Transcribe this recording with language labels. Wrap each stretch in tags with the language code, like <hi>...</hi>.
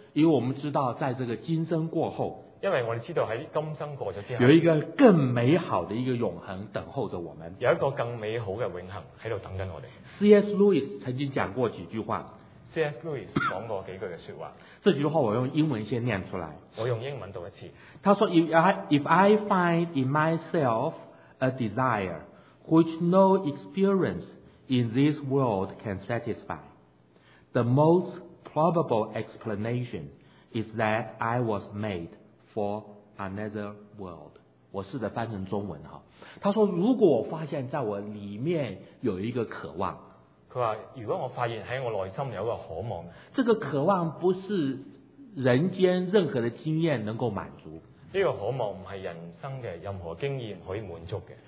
<zh>因为我们知道在这个今生过后，因为我们知道在今生过了之后，有一个更美好的一个永恒等候着我们，有一个更美好的永恒在等着我们。 C.S. Lewis 曾经讲过几句话， C.S. Lewis 讲过几句的说话，这句话我用英文先念出来，我用英文读一次。他说</zh> <en>If I find in myself a desire which no experience in this world can satisfy, the most probable explanation is that I was made for another world.</en> <zh>我试着翻成中文，他说如果我发现在我里面有一个渴望，他说如果我发现在我内心有一个渴望，这个渴望不是人间任何的经验能够满足，这个渴望不是人生的任何经验可以满足的，</zh>